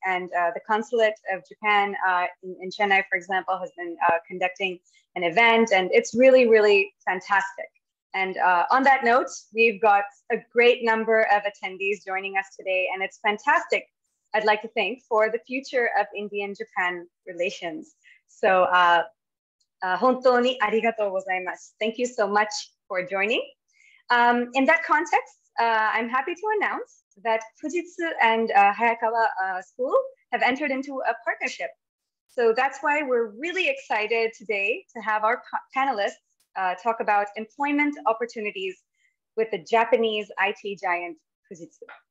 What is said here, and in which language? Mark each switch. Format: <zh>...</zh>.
<en>And the consulate of Japan in Chennai, for example, has been conducting an event, and it's really, really fantastic. And on that note, we've got a great number of attendees joining us today, and it's fantastic, I'd like to thank, for the future of Indian-Japan relations.</en> <ja>So, 本当にありがとうございます.</ja> <en>Thank you so much for joining. In that context, I'm happy to announce that Fujitsu and Hayakawa School have entered into a partnership. So that's why we're really excited today to have our panelists talk about employment opportunities with the Japanese IT giant Fujitsu.</en>